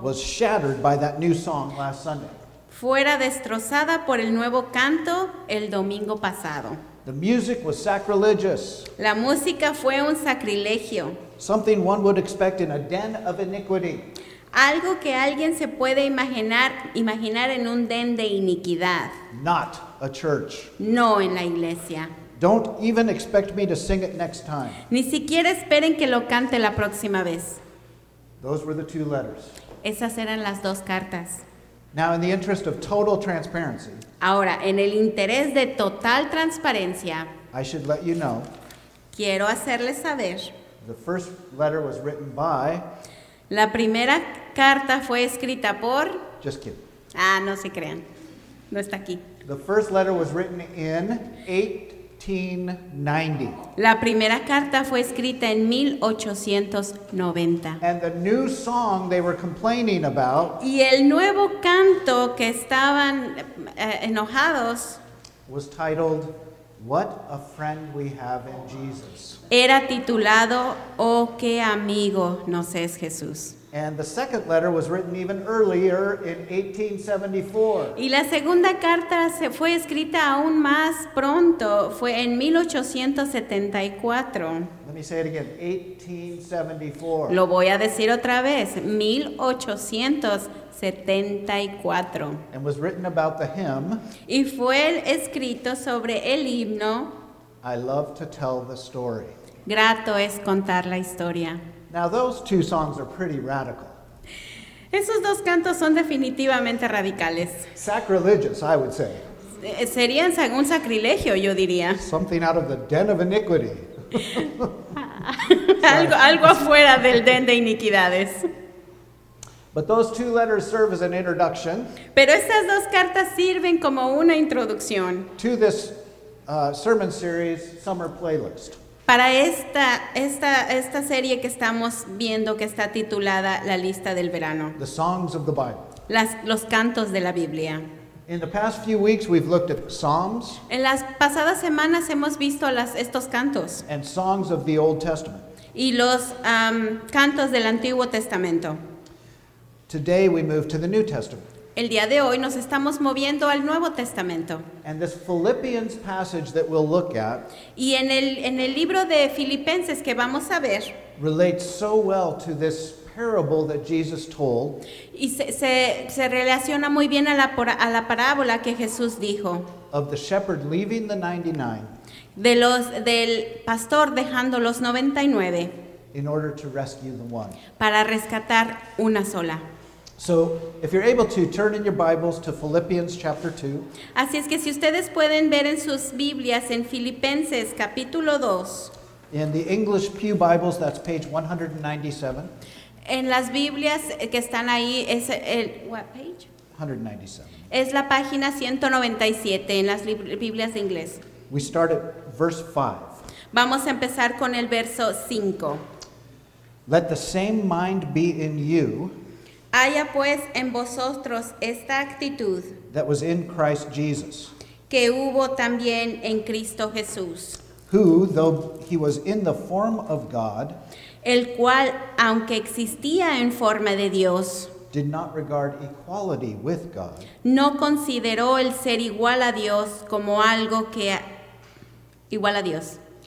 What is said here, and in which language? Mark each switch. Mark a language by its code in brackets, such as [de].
[en] was shattered by that new song last Sunday, [es] fuera destrozada por el nuevo canto el domingo pasado. [en] The music was sacrilegious. [es] La música fue un sacrilegio. [en] Something one would expect in a den of iniquity. [es] Algo que alguien se puede imaginar en un den de iniquidad. [en] Not a church. [es] No en la iglesia. [en] Don't even expect me to sing it next time. [es] Ni siquiera esperen que lo cante la próxima vez. [en] Those were the two letters. [es] Esas eran las dos cartas. [en] Now, in the interest of total transparency, [es] ahora, en el interés de total transparencia, [en] I should let you know, [es] quiero hacerles saber, [en] the first letter was written by, [es] La primera carta fue escrita por... [en] Just kidding. [es] Ah, no se crean. No está aquí. [en] The first letter was written in 1890. [es] La primera carta fue escrita en 1890. [en] And the new song they were complaining about... [es] Y el nuevo canto que estaban enojados... [en] Was titled, What a Friend We Have in Jesus. [es] Era titulado, Oh, qué amigo nos es Jesús. [en] And the second letter was written even earlier in 1874. [es] Y la segunda carta se fue escrita aún más pronto, fue en 1874. [en] Let me say it again, 1874. [es] Lo voy a decir otra vez, 1874. [en] And was written about the hymn. [es] Y fue escrito sobre el himno. [en] I love to tell the story. [es] Grato es contar la historia. [en] Now those two songs are pretty radical. [es] Esos dos cantos son definitivamente radicales. [en] Sacrilegious, I would say. [es] Serían un sacrilegio, yo diría. [en] Something out of the den of iniquity. [es] algo afuera del den de iniquidades. [en] But those two letters serve as an introduction. [es] Pero estas dos cartas sirven como una introducción. [en] To this sermon series summer playlist. [es] Para esta serie que estamos viendo, que está titulada La Lista del Verano. [en] The songs of the Bible. [es] Los cantos de la Biblia. [en] In the past few weeks, we've looked at Psalms. [es] En las pasadas semanas hemos visto estos cantos. [en] And songs of the Old Testament. [es] Y los cantos del Antiguo Testamento. [en] Today we move to the New Testament. [es] El día de hoy nos estamos moviendo al Nuevo Testamento. [en] And this Philippians passage that we'll look at, [es] y en el libro de Filipenses que vamos a ver, [en] relates so well to this parable that Jesus told. [es] Y se relaciona muy bien a la parábola que Jesús dijo. [en] Of the shepherd leaving the 99. [es] Del pastor dejando los 99. [en] In order to rescue the one. [es] Para rescatar una sola. [en] So, if you're able to, turn in your Bibles to Philippians chapter 2. [es] Así es que si ustedes pueden ver en sus Biblias en Filipenses capítulo 2. [en] In the English Pew Bibles, that's page 197. [es] En las Biblias que están ahí, es el, [en] what page? 197. [es] Es la página 197 en las Biblias de inglés. [en] We start at verse 5. [es] Vamos a empezar con el verso 5. [en] Let the same mind be in you. [es] Haya pues en vosotros esta actitud [en] that was in Christ Jesus, [es] que hubo también en Cristo Jesús, [en] who, though he was in the form of God, [es] el cual, aunque existía en forma de Dios, [en] did not regard equality with God, [es] no consideró el ser igual a Dios como algo que igual a Dios,